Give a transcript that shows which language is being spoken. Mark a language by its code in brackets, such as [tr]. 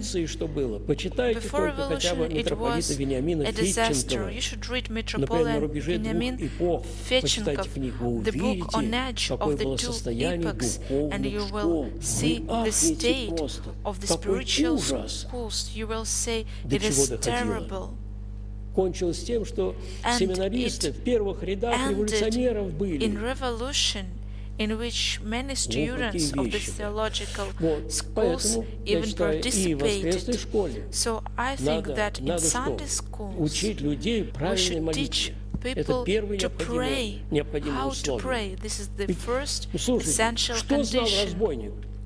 [en] it was a disaster. You should read Metropolitan Vinyamin Fetchenkov, the book on edge of the two epochs, and you will see the state of the spiritual schools. You will say it is terrible. [ru] Кончилось тем, что семинаристы в первых рядах революционеров были. [en] In revolution, in which many students of the theological schools even participated. So I think that in Sunday schools we should teach people to pray. How to pray? This is the first essential condition.